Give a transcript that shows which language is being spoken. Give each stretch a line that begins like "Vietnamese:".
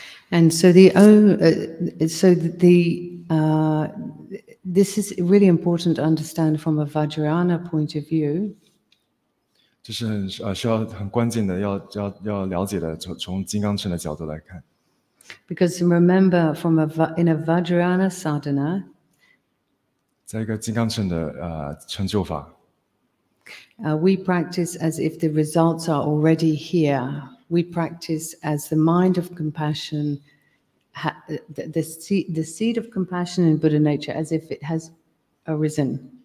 English: And so this is really important to understand from a Vajrayana point of view.
Chinese: 这是需要很关键的，要了解的。从金刚乘的角度来看
English: ，because remember from in a Vajrayana sadhana，
Chinese: 在一个金刚乘的成就法
English: ，we practice as if the results are already here. We practice as the mind of compassion, the seed of compassion in Buddha nature, as if it has arisen.